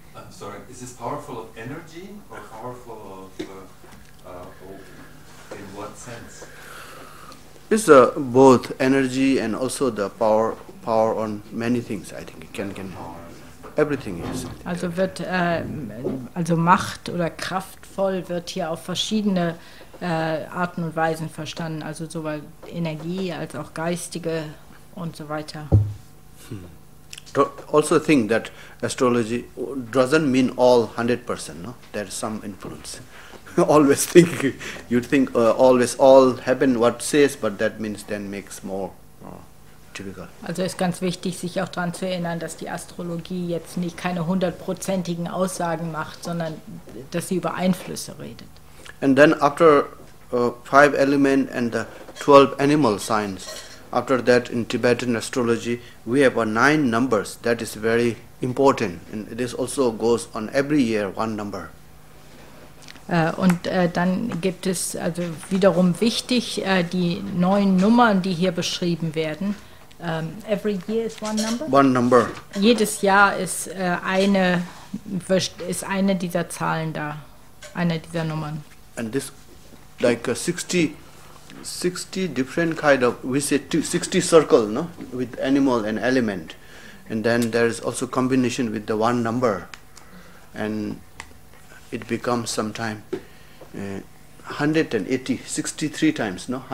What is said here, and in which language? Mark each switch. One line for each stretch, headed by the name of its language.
English: Sorry, is this powerful of energy or powerful of in what sense? It's both energy and also the power on many things, I think. It can everything is.
German: Also wird also Macht oder kraftvoll wird hier auf verschiedene Arten und Weisen verstanden, also sowohl Energie als auch geistige und so weiter.
English: Also think that astrology doesn't mean all 100%, no? There's some influence. Always think, you think always all happen what says, but that means then makes more difficult.
German: Also ist ganz wichtig, sich auch daran zu erinnern, dass die Astrologie jetzt nicht keine hundertprozentigen Aussagen macht, sondern dass sie über Einflüsse redet.
English: And then after five element and the 12 animal signs, after that in Tibetan astrology, we have nine numbers. That is very important. And this also goes on every year, one number.
German: Und dann gibt es also wiederum wichtig die neun Nummern, die hier beschrieben werden.
English: Every year is one number. One number.
German: Jedes Jahr ist eine dieser Zahlen da, eine dieser Nummern.
English: And this, like 60 different kind of, we say 60 circle, no, with animal and element, and then there is also combination with the one number, and it becomes sometime 180, 63 times, no?